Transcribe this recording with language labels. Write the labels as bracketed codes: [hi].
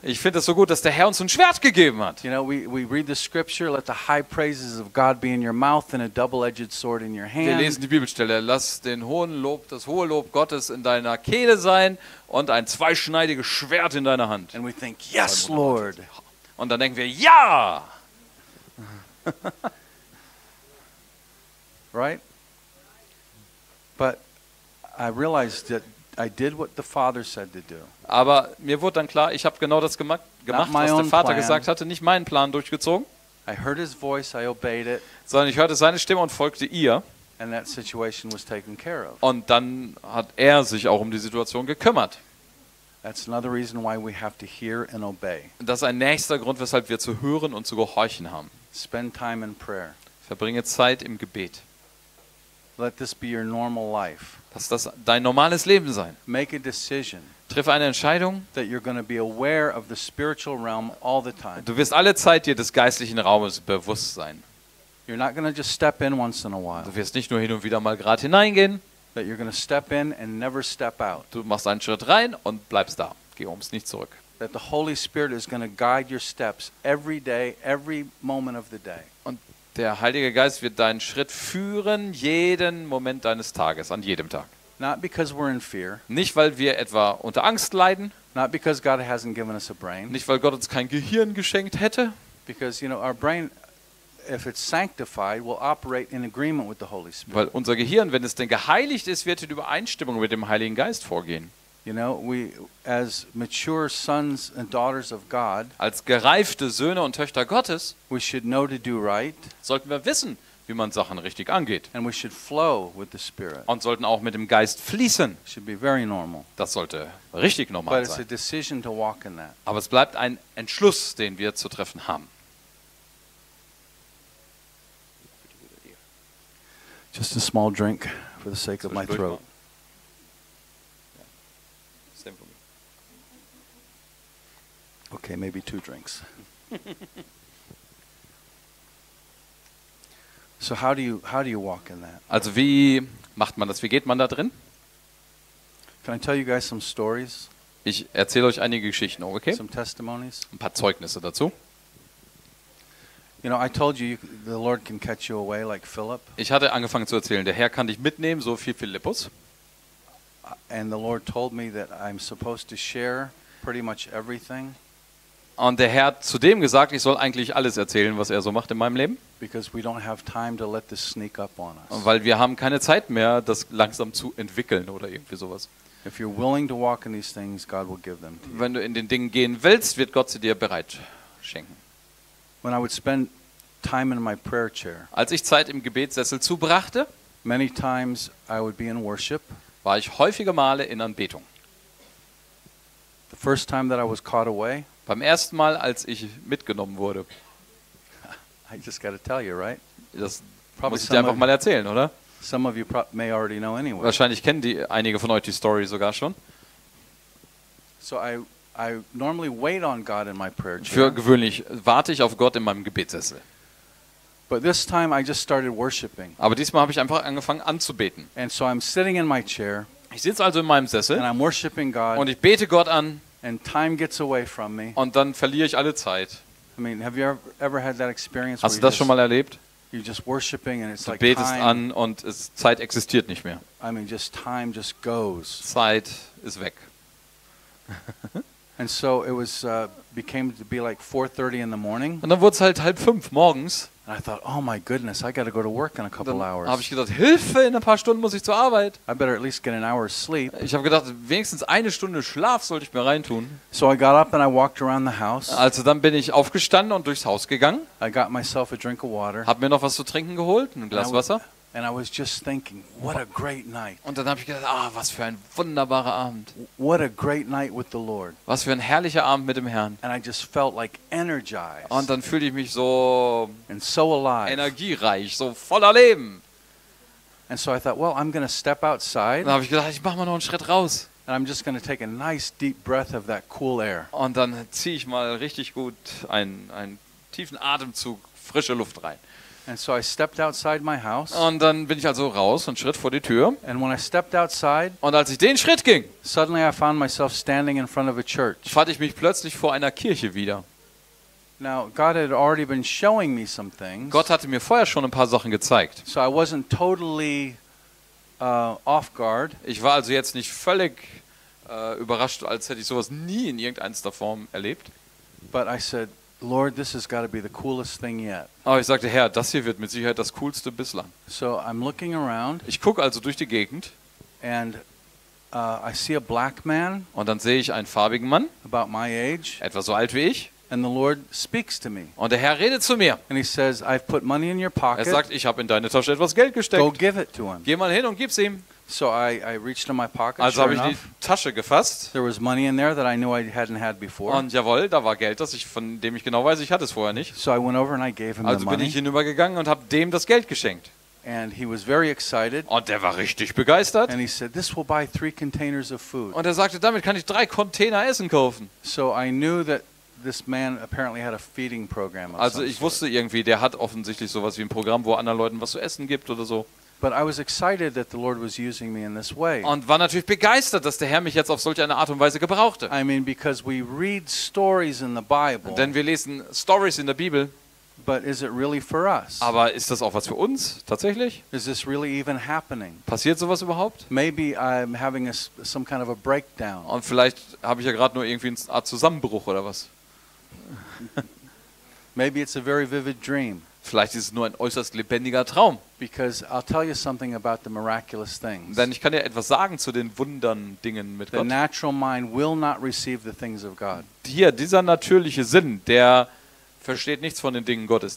[de] Ich finde es so gut, dass der Herr uns ein Schwert gegeben hat. [en] You know, we read the scripture, let the high praises of God be in your mouth and a double-edged sword in your hand. [de] Wir lesen die Bibelstelle, lass den hohen Lob, das hohe Lob Gottes in deiner Kehle sein und ein zweischneidiges Schwert in deiner Hand. [en] And we think, yes, Lord. [de] Und dann denken wir, ja. [en] Right? But I realized that I did what the Father said to do. [de] Aber mir wurde dann klar, ich habe genau das gemacht, was der Vater gesagt hatte, nicht meinen Plan durchgezogen. [en] I heard his voice, I obeyed it. [de] Sondern ich hörte seine Stimme und folgte ihr. [en] And that situation was taken care of. [de] Und dann hat er sich auch um die Situation gekümmert. [en] That's another reason why we have to hear and obey. [de] Das ist ein nächster Grund, weshalb wir zu hören und zu gehorchen haben. [en] Spend time in prayer. [de] Verbringe Zeit im Gebet. [en] Let this be your normal life. [de] Lass das dein normales Leben sein. [en] Make a decision. [de] Triff eine Entscheidung, [en] that you're going to be aware of the spiritual realm all the time. [de] Du wirst alle Zeit dir des geistlichen Raumes bewusst sein. [en] You're not going to just step in once in a while. [de] Du wirst nicht nur hin und wieder mal gerade hineingehen, [en] but you're going to step in and never step out. [de] Du machst einen Schritt rein und bleibst da. Geh nicht zurück. [en] That the Holy Spirit is going to guide your steps every day, every moment of the day. [de] Der Heilige Geist wird deinen Schritt führen, jeden Moment deines Tages, an jedem Tag. [en] Not because we're in fear. [de] Nicht, weil wir etwa unter Angst leiden. [en] Not because God hasn't given us a brain. [de] Nicht, weil Gott uns kein Gehirn geschenkt hätte. [en] Because, you know, our brain, if it's sanctified, will operate in agreement with the Holy Spirit. [de] Weil unser Gehirn, wenn es denn geheiligt ist, wird in Übereinstimmung mit dem Heiligen Geist vorgehen. [en] You know, we as mature sons and daughters of God, [de] als gereifte Söhne und Töchter Gottes, [en] we should know to do right, [de] sollten wir wissen, wie man Sachen richtig angeht, [en] and we should flow with the Spirit, [de] und sollten auch mit dem Geist fließen. [en] Should be very normal. [de] Das sollte richtig normal [en] but [de] sein. [en] It's a decision to walk in that. [de] Aber es bleibt ein Entschluss, den wir zu treffen haben. [en] Just a small drink for the sake of my throat. Okay, maybe two drinks. So how do you walk in that? [de] Also wie macht man das? Wie geht man da drin? [en] Can I tell you guys some stories? [de] Ich erzähle euch einige Geschichten, okay? [en] Some testimonies. [de] Ein paar Zeugnisse dazu. [en] You know, I told you the Lord can catch you away like Philip. [de] Ich hatte angefangen zu erzählen, der Herr kann dich mitnehmen, so wie Philippus. [en] And the Lord told me that I'm supposed to share pretty much everything. [de] Und der Herr hat zudem gesagt, ich soll eigentlich alles erzählen, was er so macht in meinem Leben. [en] Because we don't have time to let this sneak up on us. [de] Weil wir haben keine Zeit mehr, das langsam zu entwickeln oder irgendwie sowas. [en] If you're willing to walk in these things, God will give them to you. [de] Wenn du in den Dingen gehen willst, wird Gott sie dir bereit schenken. [en] When I would spend time in my prayer chair. [de] Als ich Zeit im Gebetssessel zubrachte, [en] many times I would be in worship. [de] War ich häufige Male in Anbetung. [en] The first time that I was caught away. [de] Beim ersten Mal, als ich mitgenommen wurde. [en] I just gotta tell you, right? [de] Das muss ich dir einfach mal erzählen, oder? [en] Some of you may already know anyway. [de] Wahrscheinlich kennen die einige von euch die Story sogar schon. [en] So I normally wait on God in my prayer chair. [de] Für gewöhnlich warte ich auf Gott in meinem Gebetssessel. [en] But this time I just started worshiping. [de] Aber diesmal habe ich einfach angefangen anzubeten. [en] And so I'm sitting in my chair, [de] ich sitze also in meinem Sessel [en] and I'm worshiping God, [de] und ich bete Gott an. [en] And time gets away from me. [de] Und dann verliere ich alle Zeit. [en] I mean, have you ever had that experience? [de] Hast du das schon mal erlebt? [en] You're just worshiping and it's [de] du [en] like [de] betest [en] time, [de] an und es, Zeit existiert nicht mehr. [en] I mean, just time just goes. [de] Zeit ist weg. [en] And so it was became to be like 4:30 in the morning. [de] Und dann wurde es halt 5:30 morgens. [en] And I thought, oh my goodness, I got to go to work in a couple hours. [de] Habe ich gedacht, Hilfe, in ein paar Stunden muss ich zur Arbeit. [en] I better at least get an hour's sleep. [de] Ich habe gedacht, wenigstens eine Stunde Schlaf sollte ich mir reintun. [en] So I got up and I walked around the house. [de] Also dann bin ich aufgestanden und durchs Haus gegangen. [en] I got myself a drink of water. [de] Hab mir noch was zu trinken geholt, ein Glas Wasser. [en] And I was just thinking, what a great night. [de] Und dann habe ich gedacht, ah, was für ein wunderbarer Abend. [en] What a great night with the Lord. [de] Was für ein herrlicher Abend mit dem Herrn. [en] And I just felt like energized. [de] Und dann fühlte ich mich so, [en] and so alive. [de] Energiereich, so voller Leben. [en] And so I thought, well, I'm going to step outside. [de] Dann habe ich gesagt, ich mache mal noch einen Schritt raus. [en] And I'm just going to take a nice deep breath of that cool air. [de] Und dann ziehe ich mal richtig gut einen tiefen Atemzug frische Luft rein. [en] And so I stepped outside my house. [de] Und dann bin ich also raus und schritt vor die Tür. [en] And when I stepped outside, [de] und als ich den Schritt ging, [en] suddenly I found myself standing in front of a church. [de] Fand ich mich plötzlich vor einer Kirche wieder. [en] Now God had already been showing me some things. [de] Gott hatte mir vorher schon ein paar Sachen gezeigt. [en] So I wasn't totally off guard. [de] Ich war also jetzt nicht völlig überrascht, als hätte ich sowas nie in irgendeiner Form erlebt. [en] But I said, Lord, this has got to be the coolest thing yet. [de] Aber ich sagte, Herr, das hier wird mit Sicherheit das coolste bislang. [en] So I'm looking around. [de] Ich gucke also durch die Gegend. [en] And I see a black man. [de] Und dann sehe ich einen farbigen Mann. [en] About my age. [de] Etwa so alt wie ich. [en] And the Lord speaks to me. [de] Und der Herr redet zu mir. [en] And he says, I've put money in your pocket. [de] Er sagt, ich habe in deine Tasche etwas Geld gesteckt. [en] Go give it to him. [de] Geh mal hin und gib's ihm. [en] So I reached in my pocket. [de] Also habe ich die Tasche gefasst. [en] There was money in there that I knew I hadn't had before. [de] Und jawohl, da war Geld, von dem ich genau weiß, ich hatte es vorher nicht. [en] So I went over and I gave him the money. [de] Also bin ich hinübergegangen und habe dem das Geld geschenkt. [en] And he was very excited. [de] Und der war richtig begeistert. [en] And he said, "This will buy 3 containers of food." [de] Und er sagte, damit kann ich 3 Container Essen kaufen. [en] So I knew that this man apparently had a feeding program. [de] Also ich wusste irgendwie, der hat offensichtlich sowas wie ein Programm, wo anderen Leuten was zu essen gibt oder so. [en] But I was excited that the Lord was using me in this way. [de] Und war natürlich begeistert, dass der Herr mich jetzt auf solch eine Art und Weise gebrauchte. [en] I mean, because we read stories in the Bible. [de] Denn wir lesen Stories in der Bibel. [en] But is it really for us? [de] Aber ist das auch was für uns tatsächlich? [en] Is this really even happening? [de] Passiert sowas überhaupt? [en] Maybe I'm having some kind of a breakdown. [de] Und vielleicht habe ich ja gerade nur irgendwie eine Art Zusammenbruch oder was? [en] Maybe it's a very vivid dream. [de] Vielleicht ist es nur ein äußerst lebendiger Traum. [en] Because I'll tell you something about the miraculous things. [de] Denn ich kann dir etwas sagen zu den Wundern Dingen mit Gott. [en] The natural mind will not receive the things of God. [de] Hier, dieser natürliche Sinn, der versteht nichts von den Dingen Gottes.